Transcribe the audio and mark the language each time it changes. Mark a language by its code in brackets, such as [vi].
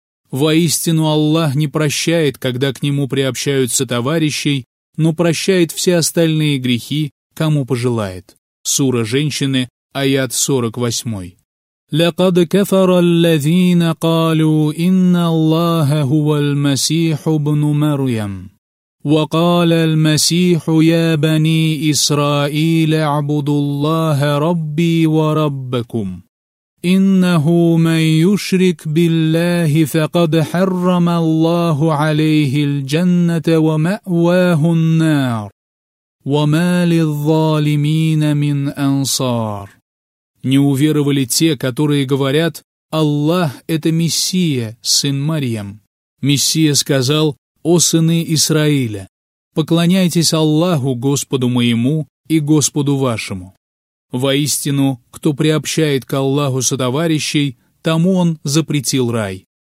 [ru] Воистину Аллах не прощает, когда к нему приобщаются товарищей, но прощает все остальные грехи, кому пожелает. Сура Женщины, аят 48. [ar] «Лякад кафара аллазина калю, инна Аллаха хуваль масиху бну Марьям». وقال المسيح يا بني إسرائيل اعبدوا الله ربي وربكم إنه من يشرك بالله فقد حرم الله عليه الجنة ومأواه النار وما للظالمين من أنصار. [ru] Не уверовали те, которые говорят: Аллах — это Мессия, сын Марьям. Мессия сказал: «О сыны Исраиля, поклоняйтесь Аллаху, Господу моему и Господу вашему. Воистину, кто приобщает к Аллаху сотоварищей, тому он запретил рай.